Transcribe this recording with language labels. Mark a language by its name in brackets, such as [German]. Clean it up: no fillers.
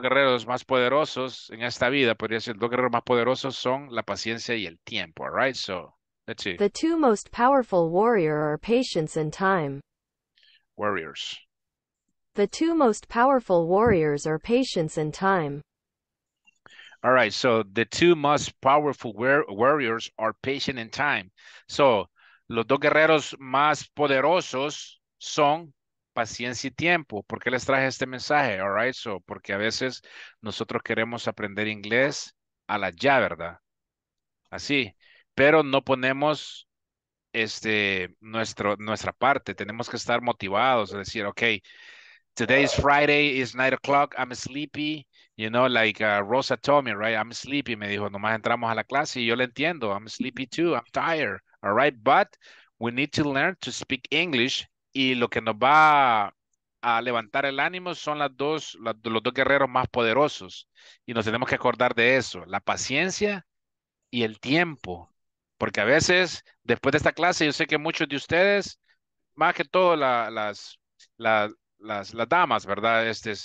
[Spanish] guerreros más poderosos en esta vida, podría ser, los dos guerreros más poderosos son la paciencia y el tiempo. [English] All right, so, let's see. The two most powerful warrior are patience and time. Warriors. The two most powerful warriors are patience and time. All right, so the two most powerful warriors are patient and time. [Spanish] So, los dos guerreros más poderosos son paciencia y tiempo. ¿Por qué les traje este mensaje? [English] All right, so, [Spanish] porque a veces nosotros queremos aprender inglés a la ya, ¿verdad? Así, pero no ponemos nuestra parte. Tenemos que estar motivados, es decir, [English] okay, today is Friday, it's 9 o'clock, I'm sleepy, you know, like Rosa told me, right? I'm sleepy, [Spanish] me dijo, nomás entramos a la clase y yo le entiendo, [English] I'm sleepy too, I'm tired, all right, but we need to learn to speak English. [Spanish] Y lo que nos va a levantar el ánimo son los dos guerreros más poderosos. Y nos tenemos que acordar de eso, la paciencia y el tiempo. Porque a veces, después de esta clase, yo sé que muchos de ustedes, más que todo las damas, ¿verdad?